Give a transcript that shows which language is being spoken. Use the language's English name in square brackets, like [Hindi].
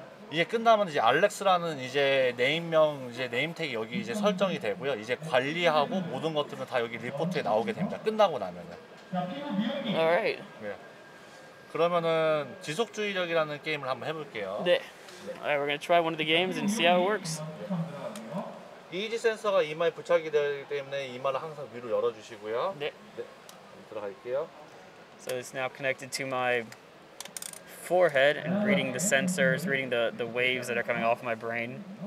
[Korean] 이제 끝나면 이제 알렉스라는 이제 네임명 이제 네임태그 여기 이제 설정이 되고요. 이제 관리하고 모든 것들은 다 여기 리포트에 나오게 됩니다. 끝나고 나면은. Alright. 네. 그러면은 지속주의력이라는 게임을 한번 해볼게요. 네. [English] Alright, we're gonna try one of the games and see how it works. [Korean] EEG 센서가 이마에 부착이 되기 때문에 이마를 항상 위로 열어주시고요. 네. 네. 들어갈게요. [English] So it's now connected to my forehead and reading the sensors, reading the waves that are coming off my brain.